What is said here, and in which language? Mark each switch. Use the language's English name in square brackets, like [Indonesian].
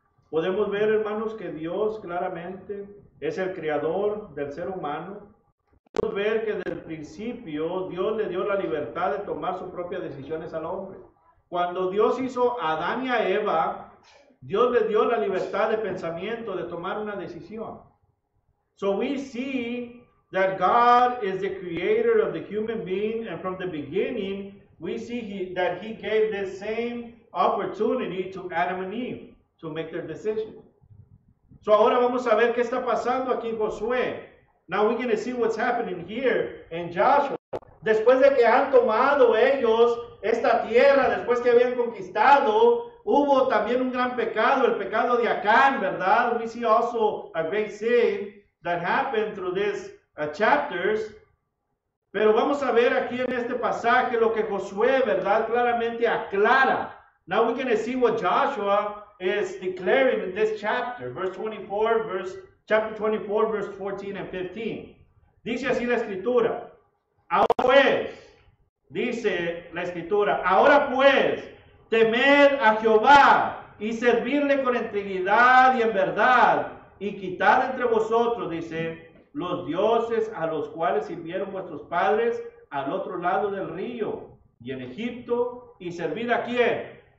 [Spanish] Podemos ver, hermanos, que Dios claramente es el creador del ser humano. Podemos ver que desde el principio Dios le dio la libertad de tomar sus propias decisiones al hombre. Cuando Dios hizo a Adán y a Eva, Dios le dio la libertad de pensamiento de tomar una decisión. [English] So we see that God is the creator of the human being, and from the beginning, we see that he gave this same opportunity to Adam and Eve to make their decision. [Spanish] So ahora vamos a ver qué está pasando aquí en Josué. [English] Now we're going to see what's happening here in Joshua. [Spanish] Después de que han tomado ellos esta tierra, después que habían conquistado, Hubo también un gran pecado, el pecado de Acán, ¿verdad? [English] We see also a great sin that happened through these chapters. [Spanish] Pero vamos a ver aquí en este pasaje lo que Josué, ¿verdad? Claramente aclara. [English] Now we're going to see what Joshua is declaring in this chapter, chapter 24, verse 14 and 15. [Spanish] Dice así la escritura. Ahora pues, dice la escritura, ahora pues, temed a Jehová y servirle con integridad y en verdad, y quitad entre vosotros, dice, los dioses a los cuales sirvieron vuestros padres al otro lado del río y en Egipto, y servid a quién?